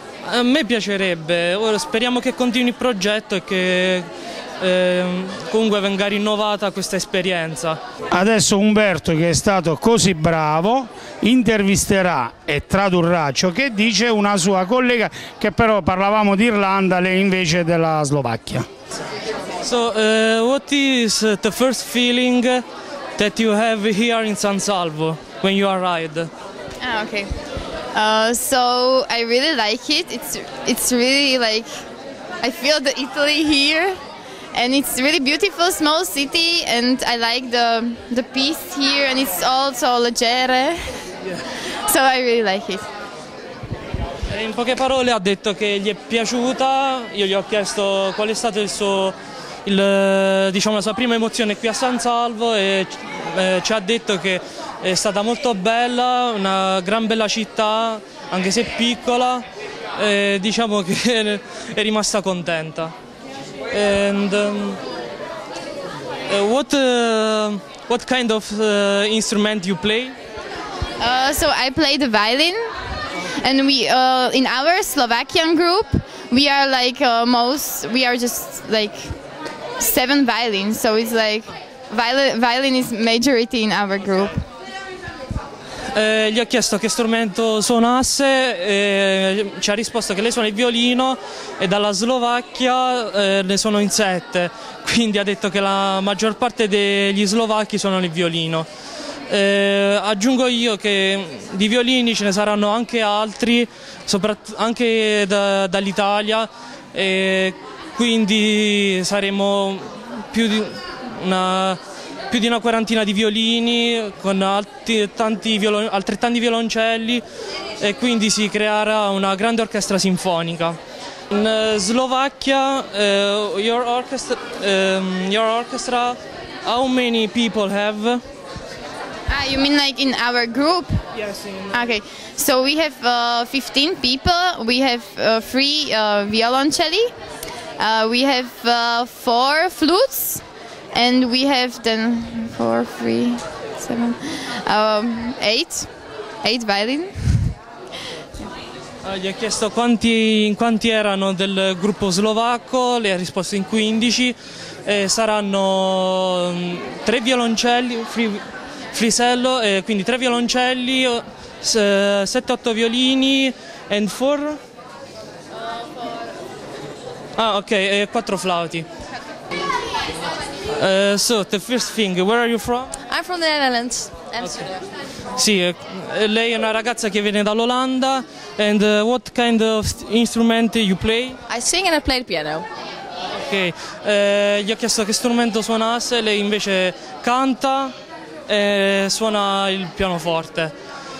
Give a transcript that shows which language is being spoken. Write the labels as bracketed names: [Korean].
[Italian] A me piacerebbe, speriamo che continui il progetto e che comunque venga rinnovata questa esperienza. Adesso Umberto, che è stato così bravo, intervisterà e tradurrà ciò che dice una sua collega, che però parlavamo di Irlanda, lei invece della Slovacchia. [English] So, what is the first feeling that you have here in San Salvo when you arrived? Ah, okay. So I really like it. It's really like I feel the Italy here. And it's really beautiful small city, and I like the peace here, and it's also leggere. Yeah. So I really like it. [Italian] In poche parole ha detto che gli è piaciuta. Io gli ho chiesto qual è stato la sua prima emozione qui a San Salvo, e ci ha detto che è stata molto bella, una gran bella città, anche se piccola, e che è rimasta contenta. [English] And what kind of instrument you play? So I play the violin, and we in our Slovakian group we are just 7 violins, so it's like violin is majority in our group. [Italian] Gli ho chiesto che strumento suonasse, e ci ha risposto che lei suona il violino, e dalla Slovacchia ne sono in 7, quindi ha detto che la maggior parte degli slovacchi suonano il violino. Aggiungo io che di violini ce ne saranno anche altri, anche dall'Italia, e quindi saremo più di una quarantina di violini, con altrettanti violoncelli, e quindi si creerà una grande orchestra sinfonica. In Slovacchia, [English] your orchestra, how many people have? Ah, you mean like in our group? Okay, so we have 15 people. We have three violoncelli, we have four flutes, and we have then four, three, seven, eight violin. [Italian] Gli ho chiesto in quanti erano del gruppo slovacco, le ha risposto in 15, saranno tre violoncelli, frisello, quindi tre violoncelli, 7-8 violini [English] and four? [Italian] Ah ok, quattro flauti. [English] So, the first thing, where are you from? I'm from the Netherlands. Okay. [Italian] Sì, lei è una ragazza che viene dall'Olanda. [English] And what kind of instrument you play? I sing and I play the piano. [Italian] Ok, gli ho chiesto che strumento suonasse, lei invece canta e suona il pianoforte.